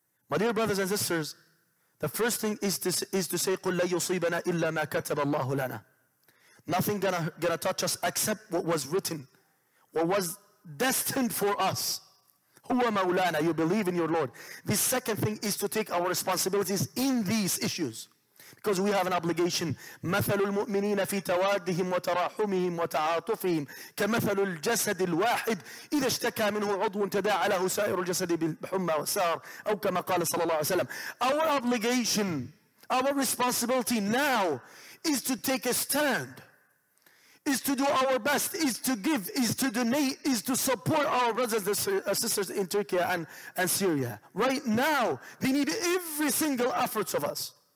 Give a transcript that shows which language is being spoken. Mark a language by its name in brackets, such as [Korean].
[English] My dear brothers and sisters, the first thing is to say, [Arabic] قُلْ لَا يُصِيبَنَا إِلَّا مَا كَتَبَ اللَّهُ لَنَا. [English] Nothing gonna touch us except what was written, what was destined for us. [Arabic] Huwa maulana, [English] you believe in your Lord. The second thing is to take our responsibilities in these issues, because we have an obligation. [Arabic] مثل المؤمنين في توادهم وتراحمهم وتعاطفهم كمثل الجسد الواحد إذا اشتكى منه عضو تداعى له سائر الجسد بالحمى والسهر أو كما قال صلى الله عليه وسلم. [English] Our obligation, our responsibility now is to take a stand, is to do our best, is to give, is to donate, is to support our brothers and sisters in Turkey and Syria. Right now, they need every single effort of us.